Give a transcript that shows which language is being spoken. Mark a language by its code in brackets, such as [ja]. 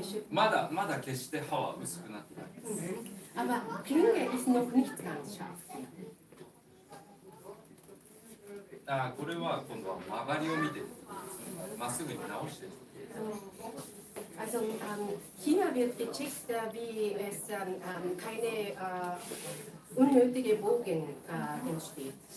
[ja] まだ決して刃は薄くなってないです。 [de] Aber Klinge ist noch nicht ganz scharf. [ja] これは今度は曲がりを見てまっすぐに直してる。 [de] Also hier wird gecheckt, wie es keine unnötige Bogen entsteht.